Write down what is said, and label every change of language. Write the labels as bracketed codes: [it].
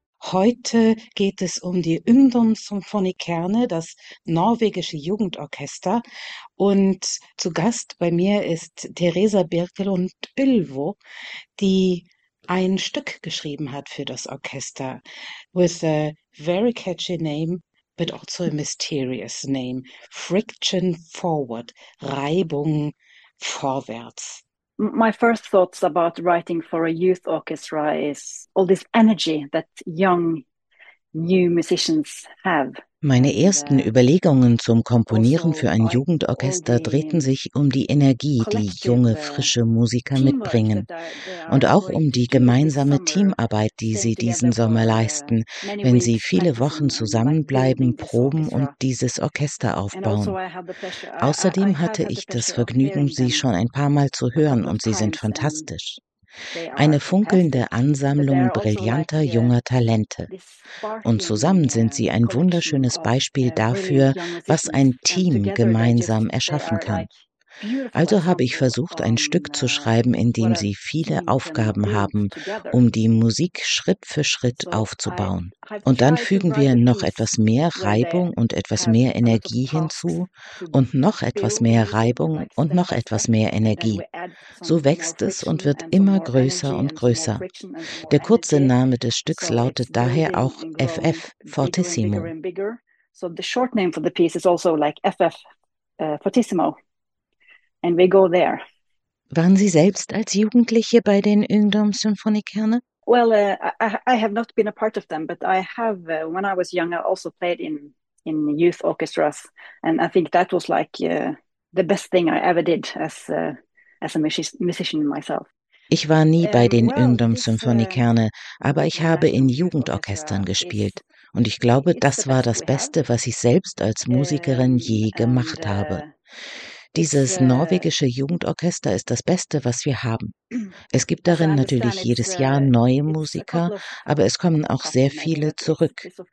[de] Heute geht es um die Ungdom Symfonikerne, das norwegische Jugendorchester. Und zu Gast bei mir ist Teresa Birkel und Ylvo, die ein Stück geschrieben hat für das Orchester. [en] With a very catchy name, but also a mysterious name. [de] Friction Forward, Reibung vorwärts. [en] My first thoughts about writing for a youth orchestra is all this energy that young new musicians have. [de] Meine ersten Überlegungen zum Komponieren für ein Jugendorchester drehten sich um die Energie, die junge, frische Musiker mitbringen und auch um die gemeinsame Teamarbeit, die sie diesen Sommer leisten, wenn sie viele Wochen zusammenbleiben, proben und dieses Orchester aufbauen. Außerdem hatte ich das Vergnügen, sie schon ein paar Mal zu hören und sie sind fantastisch. Eine funkelnde Ansammlung brillanter junger Talente. Und zusammen sind sie ein wunderschönes Beispiel dafür, was ein Team gemeinsam erschaffen kann. Also habe ich versucht, ein Stück zu schreiben, in dem sie viele Aufgaben haben, um die Musik Schritt für Schritt aufzubauen. Und dann fügen wir noch etwas mehr Reibung und etwas mehr Energie hinzu und noch etwas mehr Reibung und noch etwas mehr Energie. So wächst es und wird immer größer und größer. Der kurze Name des Stücks lautet daher auch FF, Fortissimo. [en] So the short name for the piece is also like FF, Fortissimo. And we go there. [de] Waren Sie selbst als Jugendliche bei den Ungdom Symfonikerne? [en] Well, I have not been a part of them, but I have, when I was young, I also played in youth orchestras. And I think that was like the best thing I ever did as a musician myself. [de] Ich war nie bei den Ungdom Symfonikerne, aber ich habe in Jugendorchestern gespielt. Und ich glaube, das war das Beste, was ich selbst als Musikerin je gemacht habe. Dieses norwegische Jugendorchester ist das Beste, was wir haben. Es gibt darin natürlich jedes Jahr neue Musiker, aber es kommen auch sehr viele zurück.